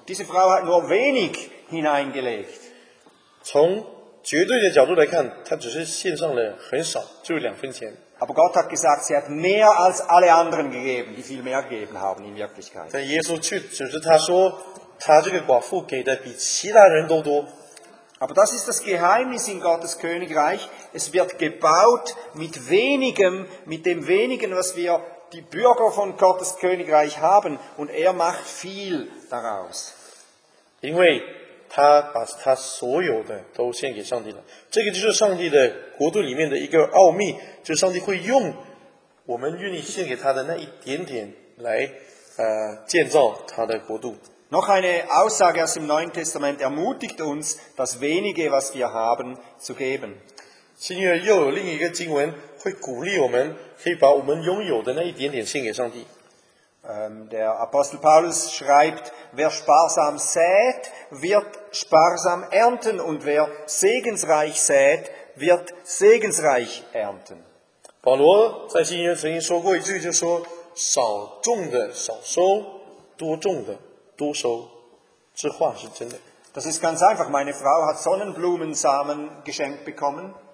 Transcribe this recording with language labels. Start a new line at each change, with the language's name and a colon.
German: Diese Frau hat nur wenig hineingelegt.
Chinese: 从绝对的角度来看，她只是献上了很少，就是两分钱。
German: Aber Gott hat gesagt, sie hat mehr als alle anderen gegeben, die viel mehr gegeben haben in Wirklichkeit.
Chinese: 但耶稣却只是他说，他这个寡妇给的比其他人都多。
German: Aber das ist das Geheimnis in Gottes Königreich. Es wird gebaut mit wenigem, mit dem wenigen, was wir die Bürger von Gottes Königreich haben, und er macht viel daraus.
Chinese: 因为他把他所有的都献给上帝了，这个就是上帝的国度里面的一个奥秘，就是上帝会用我们愿意献给他的那一点点来建造他的国度。
German: Noch eine Aussage aus dem Neuen Testament ermutigt uns, das Wenige, was wir haben, zu geben.
Chinese: 新约又有另一个经文会鼓励我们，可以把我们拥有的那一点点献给上帝。
German: Der Apostel Paulus schreibt, wer sparsam sät, wird sparsam ernten, und wer segensreich sät, wird segensreich ernten.
Chinese: 保罗在新约曾经说过一句，就说少种的少收，多种的多收，这话是真的。
German: Das ist ganz einfach. Meine Frau hat Sonnenblumensamen geschenkt bekommen.